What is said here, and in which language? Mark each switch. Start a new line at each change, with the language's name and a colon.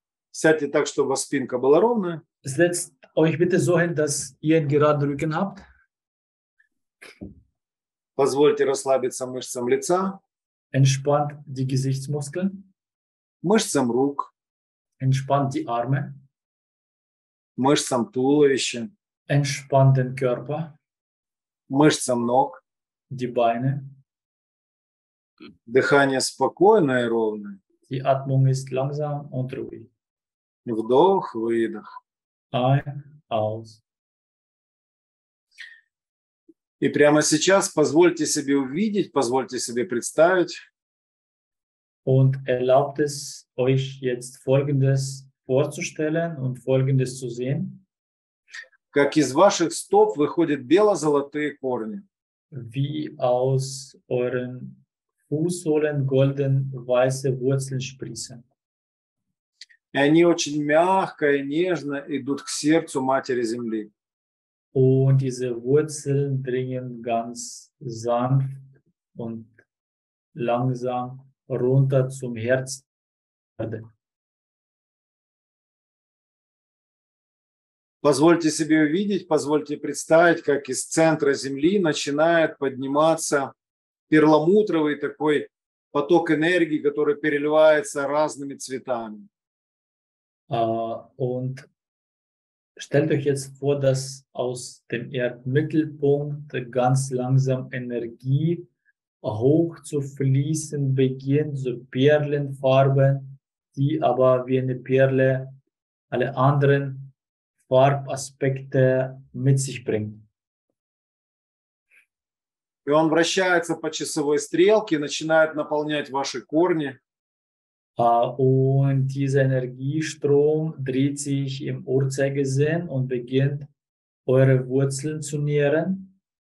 Russian: Сядьте так, чтобы спинка была ровная.
German: Setzt euch bitte so hin, dass ihr einen geraden Rücken habt.
Russian: Позвольте расслабиться мышцам лица.
German: Entspannt die Gesichtsmuskeln.
Russian: Мышцам рук.
German: Entspannt die Arme.
Russian: Мышцам туловища.
German: Entspannt den Körper.
Russian: Мышцам ног.
German: Die Beine.
Russian: Дыхание спокойное и ровное.
German: Die Atmung ist langsam und ruhig.
Russian: Вдох, выдох.
German: Ein, aus.
Russian: И прямо сейчас позвольте себе увидеть, позвольте себе представить.
German: Und erlaubt es euch jetzt Folgendes vorzustellen und Folgendes zu sehen.
Russian: Как из ваших стоп выходят бело-золотые корни.
German: Wie aus euren Fußsohlen golden-weiße Wurzeln sprießen.
Russian: И они очень мягко и нежно идут к сердцу Матери-Земли.
German: Und diese Wurzeln dringen ganz sanft und langsam runter zum Herz.
Russian: Позвольте себе увидеть, позвольте представить, как из центра Земли начинает подниматься перламутровый такой поток энергии, который переливается разными цветами.
German: Und stellt euch jetzt vor, dass aus dem Erdmittelpunkt ganz langsam Energie hoch zu fließen beginnt, so Perlenfarben, die aber wie eine Perle alle anderen Farbaspekte mit sich bringt.
Russian: И он вращается по часовой стрелке, начинает наполнять ваши корни.
German: Und dieser Energiestrom dreht sich im Uhrzeigersinn und beginnt eure Wurzeln zu nähren.